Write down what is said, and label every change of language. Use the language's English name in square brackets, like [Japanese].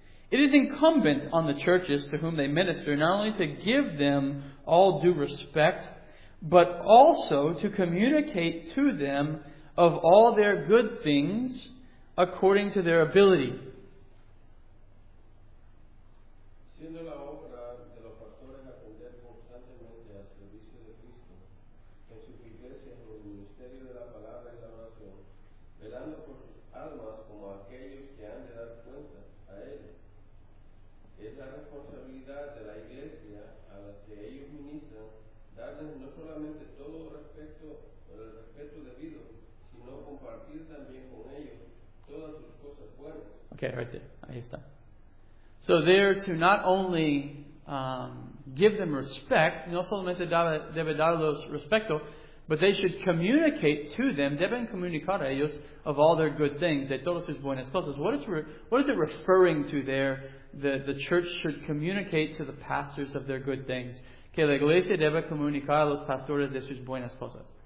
[English] It is incumbent on the churches to whom they minister not only to give them all due respect, but also to communicate to them of all their good things according to their ability. [Spanish] Siendo la obra de los pastores atender constantemente al servicio de Cristo, en su iglesia, en el ministerio de la palabra y la oración, velando por sus almas como aquellos que han de dar cuenta a él. Es la responsabilidad de la iglesia a las que ellos ministran darles no solamente todo el respeto debido, sino compartir también con ellos todas sus cosas buenas. [English] Okay, right there. [Spanish] Ahí está. [English] So they're to not only give them respect, [Spanish] no solamente debe darlos respeto, [English] but they should communicate to them, [Spanish] deben comunicar a ellos, [English] of all their good things, [Spanish] de todas sus buenas cosas. [English] What is it referring to there, that the church should communicate to the pastors of their good things? [Spanish] Que la iglesia debe comunicar a los pastores de sus buenas cosas.